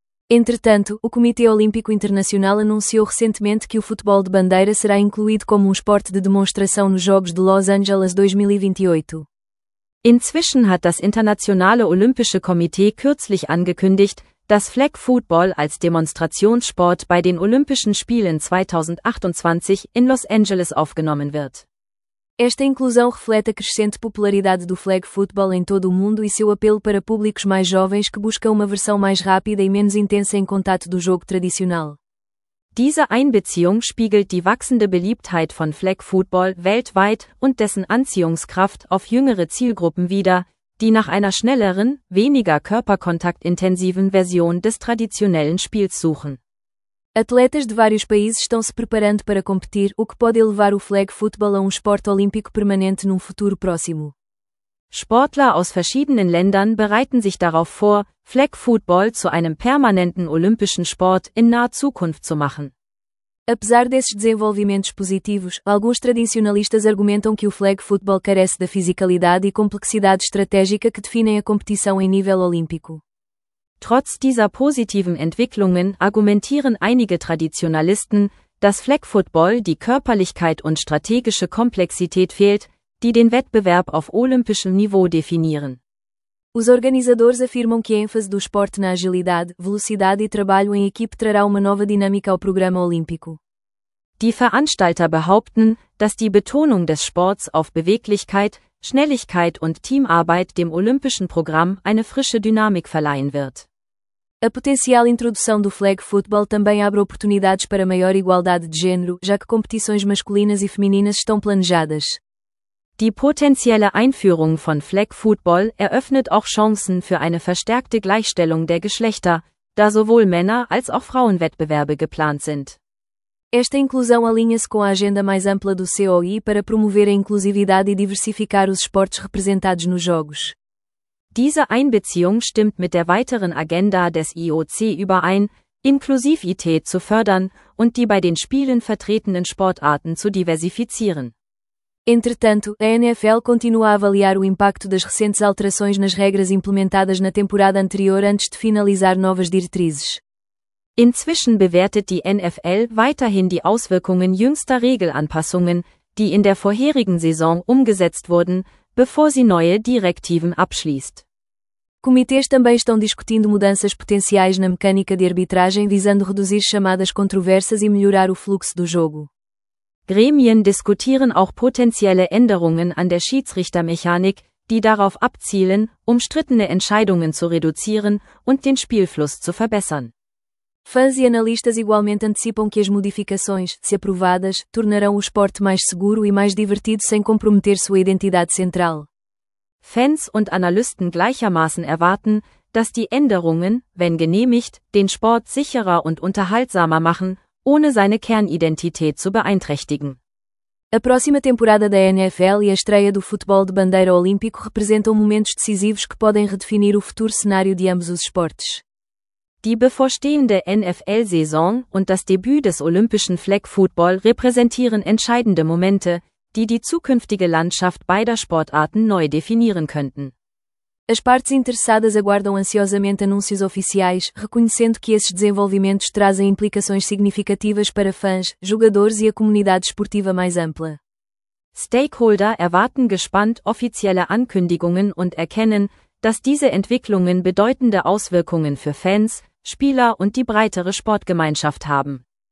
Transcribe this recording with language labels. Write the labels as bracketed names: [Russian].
[Portuguese] Entretanto, o Comitê Olímpico Internacional anunciou recentemente que o futebol de bandeira será incluído como esporte de demonstração nos Jogos de Los Angeles 2028. [German] Inzwischen hat das Internationale Olympische Komitee kürzlich angekündigt, dass Flag Football als Demonstrationssport bei den Olympischen Spielen 2028 in Los Angeles aufgenommen wird. [Portuguese] Esta inclusão reflete a crescente popularidade do flag football em todo o mundo e seu apelo para públicos mais jovens que buscam uma versão mais rápida e menos intensa em contato do jogo tradicional. [German] Diese Einbeziehung spiegelt die wachsende Beliebtheit von flag football weltweit und dessen Anziehungskraft auf jüngere Zielgruppen wider, die nach einer schnelleren, weniger körperkontaktintensiven Version des traditionellen Spiels suchen. [Portuguese] Atletas de vários países estão se preparando para competir, o que pode elevar o flag football a esporte olímpico permanente num futuro próximo. [German] Sportler aus verschiedenen Ländern bereiten sich darauf vor, flag football zu einem permanenten olympischen Sport in naher Zukunft zu machen. [Portuguese] Apesar desses desenvolvimentos positivos, alguns tradicionalistas argumentam que o flag football carece da fisicalidade e complexidade estratégica que definem a competição em nível olímpico. [German] Trotz dieser positiven Entwicklungen argumentieren einige Traditionalisten, dass Flag Football die Körperlichkeit und strategische Komplexität fehlt, die den Wettbewerb auf olympischem Niveau definieren. [Portuguese] Os organizadores afirmam que a ênfase do esporte na agilidade, velocidade e trabalho em equipe trará uma nova dinâmica ao programa olímpico. [German] Die Veranstalter behaupten, dass die Betonung des Sports auf Beweglichkeit, Schnelligkeit und Teamarbeit dem olympischen Programm eine frische Dynamik verleihen wird. [Portuguese] A potencial introdução do flag football também abre oportunidades para maior igualdade de gênero, já que competições masculinas e femininas estão planejadas. [German] Die potenzielle Einführung von flag football eröffnet auch Chancen für eine verstärkte Gleichstellung der Geschlechter, da sowohl Männer als auch Frauenwettbewerbe geplant sind. [Portuguese] Esta inclusão alinha-se com a agenda mais ampla do COI para promover a inclusividade e diversificar os esportes representados nos Jogos. [German] Diese Einbeziehung stimmt mit der weiteren Agenda des IOC überein, Inklusivität zu fördern und die bei den Spielen vertretenen Sportarten zu diversifizieren. [Portuguese] Entretanto, a NFL continua a avaliar o impacto das recentes alterações nas regras implementadas na temporada anterior antes de finalizar novas diretrizes. [German] Inzwischen bewertet die NFL weiterhin die Auswirkungen jüngster Regelanpassungen, die in der vorherigen Saison umgesetzt wurden, bevor sie neue Direktiven abschließt. [Portuguese] Comitês também estão discutindo mudanças potenciais na mecânica de arbitragem visando reduzir chamadas controversas e melhorar o fluxo do jogo. [German] Gremien diskutieren auch potenzielle Änderungen an der Schiedsrichtermechanik, die darauf abzielen, umstrittene Entscheidungen zu reduzieren und den Spielfluss zu verbessern. [Portuguese] Fãs e analistas igualmente antecipam que as modificações, se aprovadas, tornarão o esporte mais seguro e mais divertido sem comprometer sua identidade central. [German] Fans und Analysten gleichermaßen erwarten, dass die Änderungen, wenn genehmigt, den Sport sicherer und unterhaltsamer machen, ohne seine Kernidentität zu beeinträchtigen. [Portuguese] A próxima temporada da NFL e a estreia do futebol de bandeira olímpico representam momentos decisivos que podem redefinir o futuro cenário de ambos os esportes. [German] Die bevorstehende NFL-Saison und das Debüt des olympischen Flag Football repräsentieren entscheidende Momente, die die zukünftige Landschaft beider Sportarten neu definieren könnten. [Portuguese] As partes interessadas aguardam ansiosamente anúncios oficiais, reconhecendo que esses desenvolvimentos trazem implicações significativas para fãs, jogadores e a comunidade esportiva mais ampla. [German] Stakeholder erwarten gespannt offizielle Ankündigungen und erkennen, dass diese Entwicklungen bedeutende Auswirkungen für Fans, Spieler und die breitere Sportgemeinschaft haben.